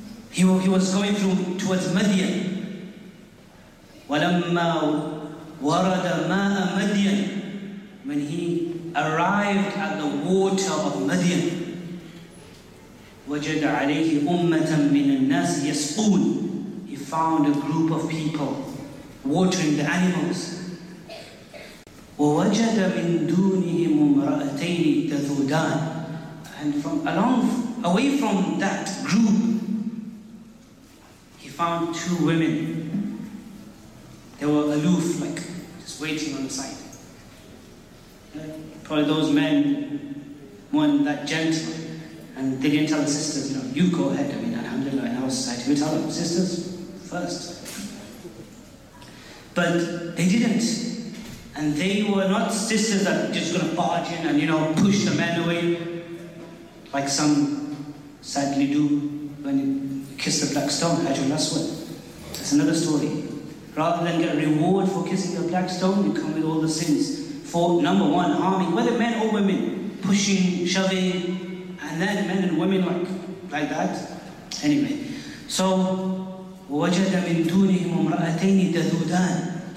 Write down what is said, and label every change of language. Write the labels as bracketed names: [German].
[English] He was going through towards Madian. [Arabic] وَلَمَّا وَرَدَ مَاءَ مَدْيَنَ [English] when he arrived at the water of Madian, [Arabic] وَجَدَ عَلَيْهِ أُمَّةً مِنَ النَّاسِ يَسْقُونَ [English] he found a group of people watering the animals. [Arabic] ووجد من دونهم امرأتين تذودان. [English] And from along, away from that group, he found two women. They were aloof, like just waiting on the side. Probably those men weren't that gentle, and they didn't tell the sisters, you know, you go ahead. I mean, alhamdulillah, in our society, we tell the sisters first. But they didn't. And they were not sisters that were just going to barge in and, you know, push the men away, like some sadly do when you kiss the black stone, Hajjul Aswad. That's another story. Rather than get a reward for kissing the black stone, you come with all the sins. For number one, harming, whether men or women, pushing, shoving, and then men and women like that. Anyway, so [Arabic] وَوَجَدَ مِن دُونِهِمُ امْرَأَتَيْنِ تَذُودَانِ.